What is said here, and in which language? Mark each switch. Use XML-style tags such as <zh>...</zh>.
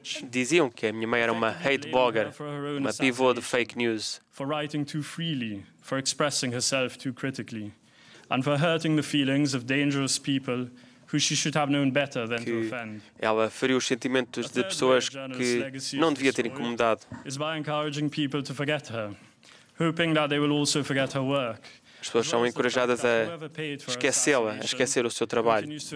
<pt>Diziam que a minha mãe era uma hate blogger, uma pivô de fake news.</pt> <en>For writing too freely, for expressing herself too critically, and for hurting the feelings of dangerous people who she should have known better than to offend.</en> <pt>Ela feriu os sentimentos de pessoas que não devia ter incomodado.</pt> <en>Is by encouraging people to forget her, hoping that they will also forget her work.</en> <pt>As pessoas são encorajadas a esquecê-la, a esquecer o seu trabalho.</pt>